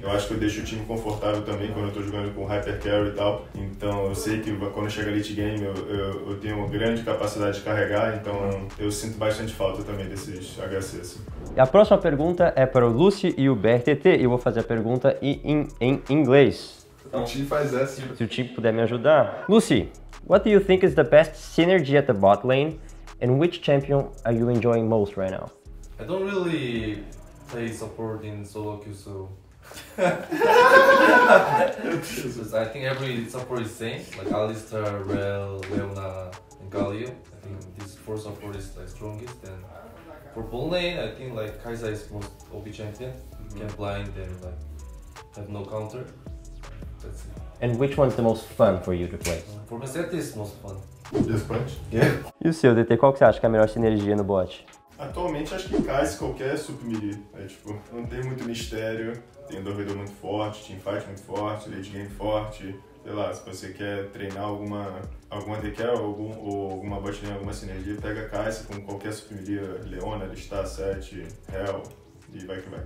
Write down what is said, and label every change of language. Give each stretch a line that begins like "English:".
Portuguese: Eu acho que eu deixo o time confortável também quando eu tô jogando com Hyper Carry e tal. Então eu sei que quando chega late game eu tenho uma grande capacidade de carregar. Então eu sinto bastante falta também desses HCs. Assim. E a próxima pergunta é para o Lucy e o BRTT. E eu vou fazer a pergunta em inglês. Então, o time faz essa. Se o time puder me ajudar.
English: Lucy, what do you think is the best synergy at the bot lane? And which champion are you enjoying most right now? I don't really play support in solo queue, so I think every support is same, like Alistar, Rell, Leona, and Galio. I think this four support is the strongest. And for bot lane, I think like Kai'Sa is most OP champion. Mm-hmm. Can blind and like have no counter. That's it. And which one's the most fun for you to play? For Mercedes, most fun. Just punch? Yeah.
Portuguese: E o seu, DT, qual que você acha que é a melhor sinergia no bot? Atualmente acho que cai se qualquer sup melee. É tipo, não tem muito mistério, tem dovedor muito forte, teamfight muito forte, late game forte. Sei lá, se você quer treinar alguma DK ou alguma bot lane, alguma sinergia, pega Kai'Sa com qualquer supermeria, Leona, Lista, Sett, Hell, e vai que vai.